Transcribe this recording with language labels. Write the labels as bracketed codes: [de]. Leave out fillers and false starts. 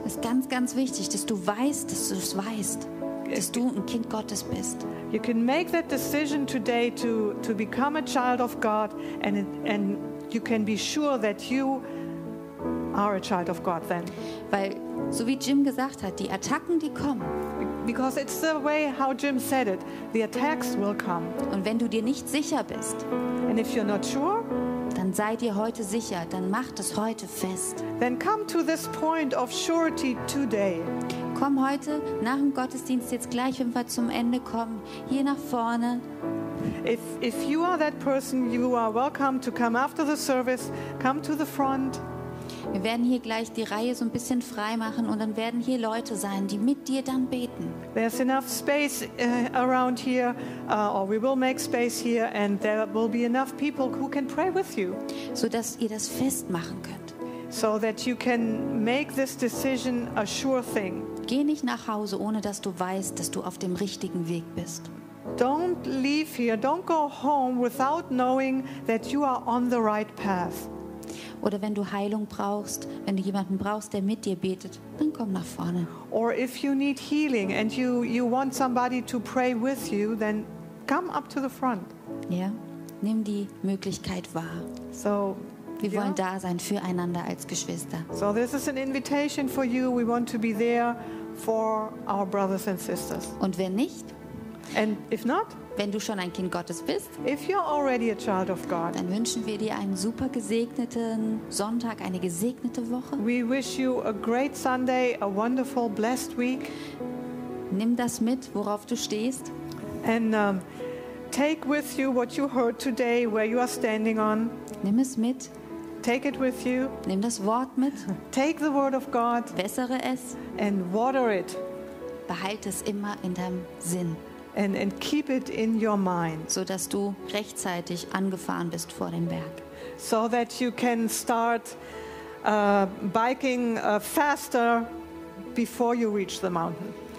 [de] Es ist ganz, ganz wichtig, dass du weißt, dass du es weißt, dass du ein Kind Gottes bist. [en] You can make that decision today to become a child of God, and you can be sure that you are a child of God then. [de] Weil, so wie Jim gesagt hat, die Attacken, die kommen. [en] Because it's the way how Jim said it, the attacks will come. [de] Und wenn du dir nicht sicher bist, [en] and if you're not sure, [de] dann sei dir heute sicher, dann mach das heute fest. [en] Then come to this point of surety today. [de] Komm heute nach dem Gottesdienst jetzt gleich, wenn wir zum Ende kommen, hier nach vorne. [en] If you are that person, you are welcome to come after the service, come to the front. [de] Wir werden hier gleich die Reihe so ein bisschen frei machen und dann werden hier Leute sein, die mit dir dann beten. [en] There's enough space around here, or we will make space here, and there will be enough people who can pray with you. [de] So dass ihr das festmachen könnt. [en] So that you can make this decision a sure thing. [de] Geh nicht nach Hause, ohne dass du weißt, dass du auf dem richtigen Weg bist. [en] Don't leave here, don't go home without knowing that you are on the right path. [de] Oder wenn du Heilung brauchst, wenn du jemanden brauchst, der mit dir betet, dann komm nach vorne. [en] Or if you need healing and you want somebody to pray with you, then come up to the front. [de] Ja, nimm die Möglichkeit wahr. [en] So, [de] wir wollen da sein füreinander als Geschwister. [en] So this is an invitation for you. We want to be there for our brothers and sisters. [de] Und wenn nicht? [en] And if not? [de] Wenn du schon ein Kind Gottes bist, [en] if you're already a child of God, [de] dann wünschen wir dir einen super gesegneten Sonntag, eine gesegnete Woche. [en] We wish you a great Sunday, a wonderful, blessed week. [de] Nimm das mit, worauf du stehst. [en] And take with you what you heard today, where you are standing on. [de] Nimm es mit. [en] Take it with you. [de] Nimm das Wort mit. [en] Take the word of God. [de] Wässere es. [en] And water it. [de] Behalt es immer in deinem Sinn. [en] And keep it in your mind, [de] so dass du rechtzeitig angefahren bist vor dem Berg, [en] so that you can start biking faster before you reach the mountain.